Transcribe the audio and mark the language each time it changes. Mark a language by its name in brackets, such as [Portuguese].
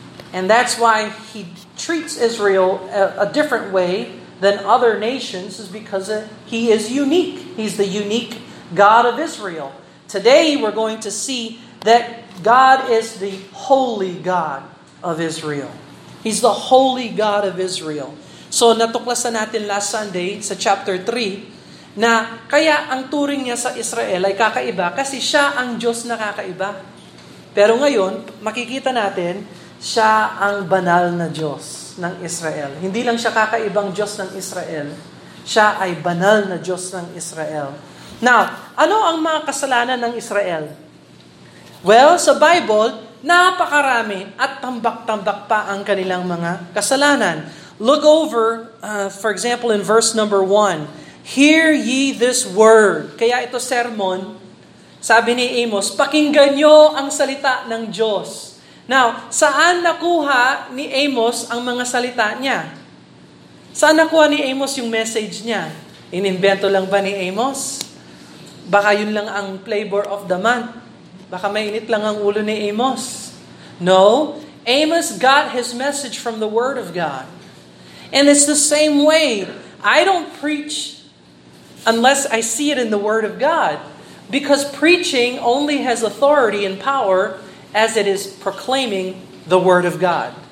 [English] And that's why He treats Israel a different way than other nations, is because He is unique. He's the unique God of Israel. Today we're going to see that God is the holy God of Israel. He's the holy God of Israel. [Filipino] So natuklasan natin [English] last Sunday [Filipino] sa chapter 3 na kaya ang turing niya sa Israel ay kakaiba kasi siya ang Diyos na kakaiba. Pero ngayon, makikita natin, siya ang banal na Diyos ng Israel. Hindi lang siya kakaibang Diyos ng Israel, siya ay banal na Diyos ng Israel. Now, ano ang mga kasalanan ng Israel? Well, sa Bible, napakarami at tambak-tambak pa ang kanilang mga kasalanan. [English] Look over, for example, in verse number 1. Hear ye this word. [Filipino] Kaya ito sermon. Sabi ni Amos, pakinggan nyo ang salita ng Diyos. Now, saan nakuha ni Amos ang mga salita niya? Saan nakuha ni Amos yung message niya? Inimbento lang ba ni Amos? Baka yun lang ang [English] flavor of the month. [Filipino] Baka mainit lang ang ulo ni Amos. [English] No, Amos got his message from the Word of God. And it's the same way. I don't preach unless I see it in the Word of God. Because preaching only has authority and power as it is proclaiming the Word of God.